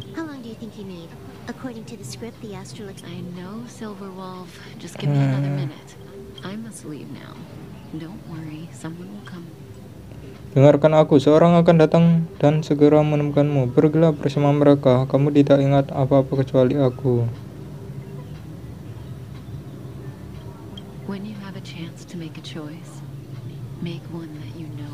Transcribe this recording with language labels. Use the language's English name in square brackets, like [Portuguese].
[English] How long do you think you need? According to the script, the astrolog. I know, Silver Wolf. Just give me another minute. I must leave now. Don't worry, someone will come. [Indonesian] Dengarkan aku, seorang akan datang dan segera menemukanmu. Pergilah bersama mereka, kamu tidak ingat apa-apa kecuali aku. [English] When you have a chance to make a choice, make one that you know.